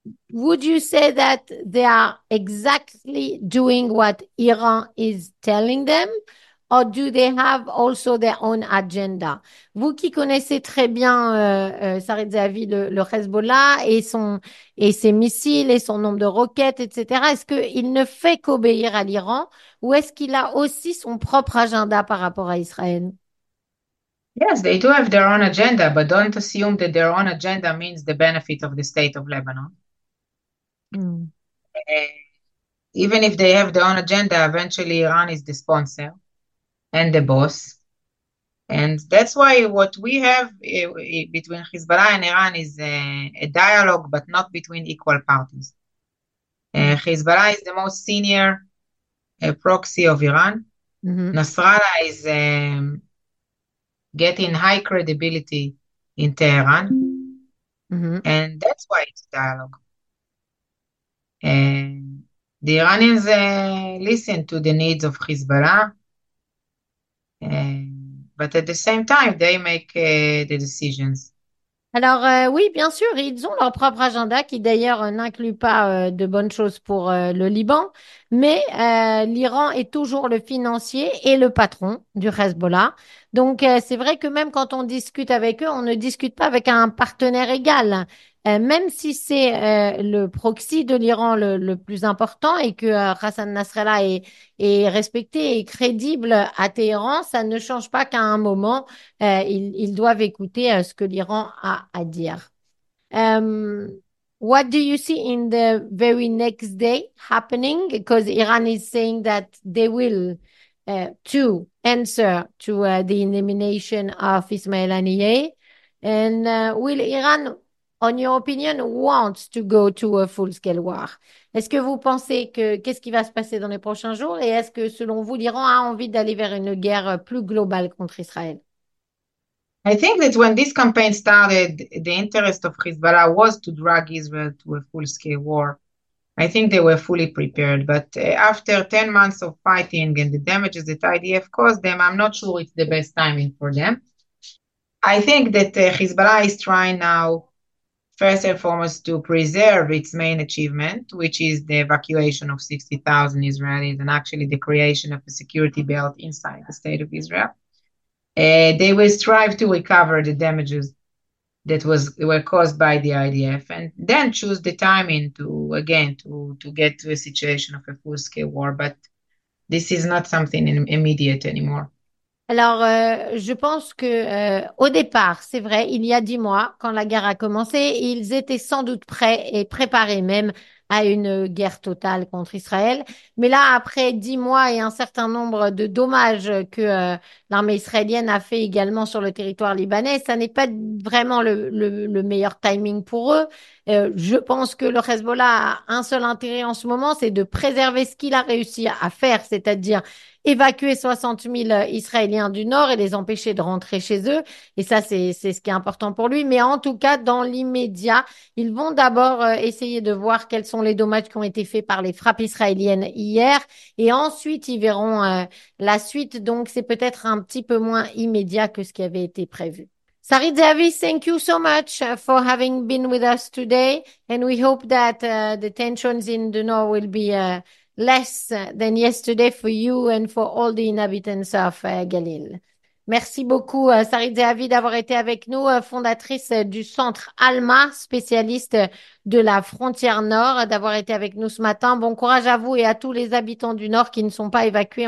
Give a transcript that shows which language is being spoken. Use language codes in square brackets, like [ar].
[en] Would you say that they are exactly doing what Iran is telling them, or do they have also their own agenda? [fr] Vous qui connaissez très bien Sarit Zavi, le Hezbollah et ses missiles et son nombre de roquettes, etc., est-ce qu'il ne fait qu'obéir à l'Iran, ou est-ce qu'il a aussi son propre agenda par rapport à Israël? [en] Yes, they do have their own agenda, but don't assume that their own agenda means the benefit of the state of Lebanon. Even if they have their own agenda, eventually Iran is the sponsor and the boss. And that's why what we have between Hezbollah and Iran is a dialogue, but not between equal parties. Hezbollah is the most senior proxy of Iran. Nasrallah is getting high credibility in Tehran. And that's why it's a dialogue. The Iranians listen to the needs of Hezbollah. But at the same time, they make the decisions. [fr] Alors oui, bien sûr, ils ont leur propre agenda qui d'ailleurs n'inclut pas de bonnes choses pour le Liban, mais l'Iran est toujours le financier et le patron du Hezbollah. Donc c'est vrai que même quand on discute avec eux, on ne discute pas avec un partenaire égal. Même si c'est le proxy de l'Iran le plus important et que Hassan Nasrallah est respecté et crédible à Téhéran, ça ne change pas qu'à un moment, ils doivent écouter ce que l'Iran a à dire. [en] What do you see in the very next day happening? Because Iran is saying that they will to answer to the elimination of Ismail Haniyeh. And will Iran, en your opinion, wants to go to a full-scale war? [fr] Est-ce que vous pensez que qu'est-ce qui va se passer dans les prochains jours et est-ce que selon vous, l'Iran a envie d'aller vers une guerre plus globale contre Israël? [en] I think that when this campaign started, the interest of Hezbollah was to drag Israel to a full-scale war. I think they were fully prepared, but after 10 months of fighting and the damages that IDF caused them, I'm not sure it's the best timing for them. I think that Hezbollah is trying now, first and foremost, to preserve its main achievement, which is the evacuation of 60,000 Israelis and actually the creation of a security belt inside the state of Israel. They will strive to recover the damages that were caused by the IDF and then choose the timing to again to get to a situation of a full-scale war. But this is not something immediate anymore. [fr] Alors, je pense que au départ, c'est vrai, il y a 10 mois, quand la guerre a commencé, ils étaient sans doute prêts et préparés même à une guerre totale contre Israël. Mais là, après 10 mois et un certain nombre de dommages que l'armée israélienne a fait également sur le territoire libanais, ça n'est pas vraiment le meilleur timing pour eux. Je pense que le Hezbollah a un seul intérêt en ce moment, c'est de préserver ce qu'il a réussi à faire, c'est-à-dire évacuer 60 000 Israéliens du nord et les empêcher de rentrer chez eux. Et ça, c'est ce qui est important pour lui. Mais en tout cas, dans l'immédiat, ils vont d'abord essayer de voir quels sont les dommages qui ont été faits par les frappes israéliennes hier. Et ensuite, ils verront la suite. Donc, c'est peut-être un petit peu moins immédiat que ce qui avait été prévu. [en] Sarit Zeavi, thank you so much for having been with us today. And we hope that the tensions in the north will be less than yesterday for you and for all the inhabitants of Galil. [fr] Merci beaucoup, Sarit Zeavi, d'avoir été avec nous, fondatrice du Centre ALMA, spécialiste de la frontière nord, d'avoir été avec nous ce matin. Bon courage à vous et à tous les habitants du nord qui ne sont pas évacués.